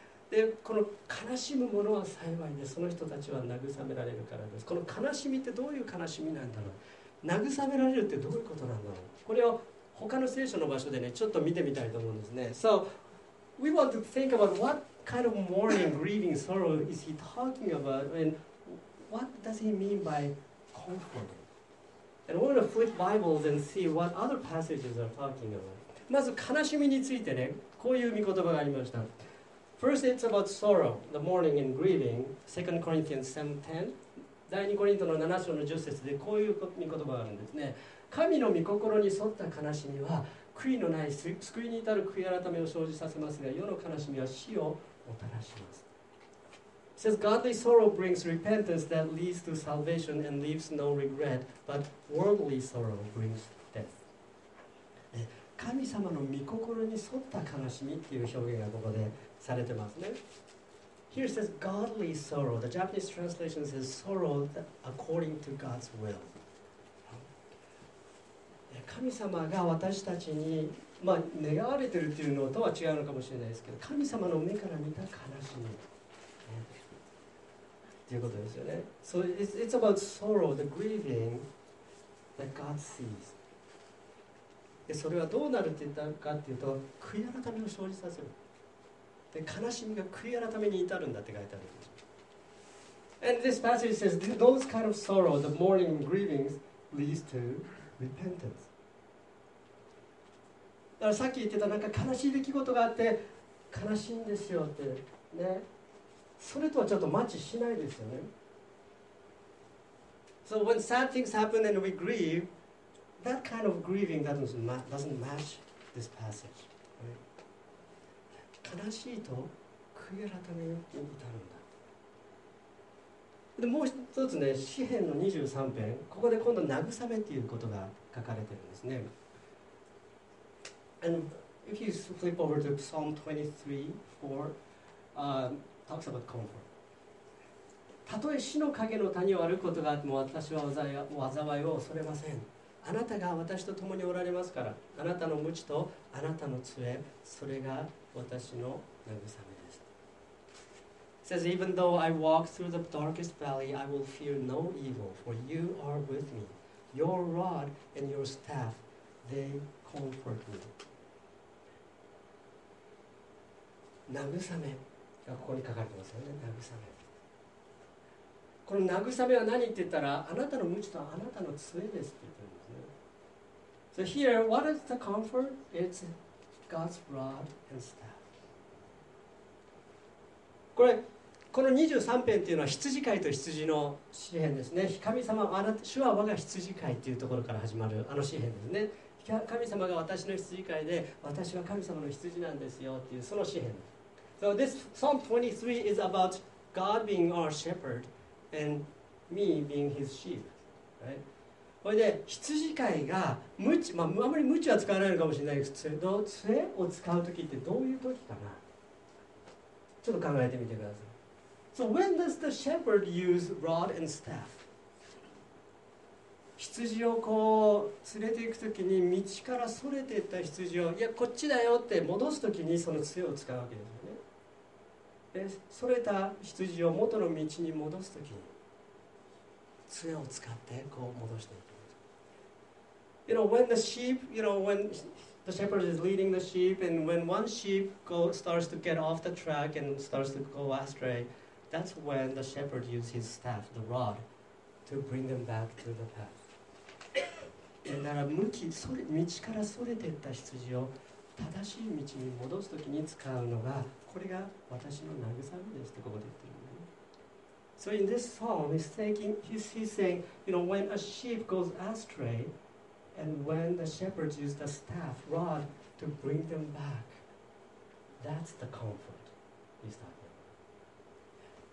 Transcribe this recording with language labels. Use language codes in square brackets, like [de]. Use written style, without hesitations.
[ja] で、この悲しむ者は幸いで、その人たちは慰められるからです。この悲しみってどういう悲しみなんだろう。慰められるってどういうことなんだろう。これを他の聖書の場所でね、ちょっと見てみたいと思うんですね。 [en] So we want to think about what kind of mourning, grieving, sorrow is he talking about andWhat does he mean by comforting? And we're going to flip Bibles and see what other passages are talking about. [ja] まず悲しみについてね、こういう御言葉がありました。 [en] First, it's about sorrow, the mourning and grieving. 2 Corinthians 7:10. [ja] 第2コリントの7章の10節でこういう御言葉があるんですね。神の御心に沿った悲しみは、悔いのない救いに至る悔い改めを生じさせますが、世の悲しみは死をもたらします。 [en] It says, Godly sorrow brings repentance that leads to salvation and leaves no regret, but worldly sorrow brings death. [ja] 神様の御心に沿った悲しみっていう表現がここでされてますね。 [en] Here it says, Godly sorrow. The Japanese translation says, sorrow according to God's will. [ja] 神様が私たちに、まあ、願われてるっていうのとは違うのかもしれないですけど、神様の目から見た悲しみ。ということですよね。 [en] So it's about sorrow, the grieving that God sees. [ja] で、それはどうなるって言ったかっていうと、悔い改めを生じさせる。で、悲しみが悔い改めに至るんだって書いてある。 [en] And this passage says, those kind of sorrow, the mourning and grieving, leads to repentance. [ja] だからさっき言ってた、なんか悲しい出来事があって、悲しいんですよってね。それとはちょっとマッチしないですよね。 [en] So when sad things happen and we grieve, that kind of grieving doesn't match this passage. [ja] 悲しいと悔い改めに至るんだ。でもう一つね、詩編の23編、ここで今度慰めっていうことが書かれてるんですね。 [en] And if you flip over to Psalm 23:4, talks about comfort. [ja] たとえ死の影の谷を歩くことがあっても、私は災いを恐れません。あなたが私と共におられますから、あなたの鞭とあなたの杖、それが私の慰めです。 [en] It says, even though I walk through the darkest valley, I will fear no evil, for you are with me. Your rod and your staff, they comfort me. [ja] 慰めここに書かれてますよね。慰め、この慰めは何って言ったら、あなたの鞭とあなたの杖ですって言ってるんですね。 [en] So here, what is the comfort? It's God's rod and staff. [ja] これ、この23編っていうのは羊飼いと羊の詩編ですね。神様、主は我が羊飼いっていうところから始まるあの詩編ですね。神様が私の羊飼いで、私は神様の羊なんですよっていう、その詩編。 [en] So this Psalm 23 is about God being our shepherd and me being his sheep, right? [ja] これで羊飼いが無知、まあ、あまり無知は使わないのかもしれないですけど、杖を使う時ってどういう時かな、ちょっと考えてみてください。 [en] So when does the shepherd use rod and staff? [ja] 羊をこう連れていく時に、道からそれていった羊を、いやこっちだよって戻す時にその杖を使うわけですよね。でそれた羊を元の道に戻す時に杖を使ってこう戻していく。 [en] You know, when the sheep, you know, when the shepherd is leading the sheep, and when one sheep starts to get off the track and starts to go astray, that's when the shepherd uses his staff, the rod, to bring them back to the path. [ja] だから向き、それ、道からそれていった羊を正しい道に戻すときに使うのが、これが私の慰めですとここで言ってる。 [en] So in this psalm, he's saying, you know, when a sheep goes astray, and when the shepherds use the staff, rod, to bring them back, that's the comfort he's talking about.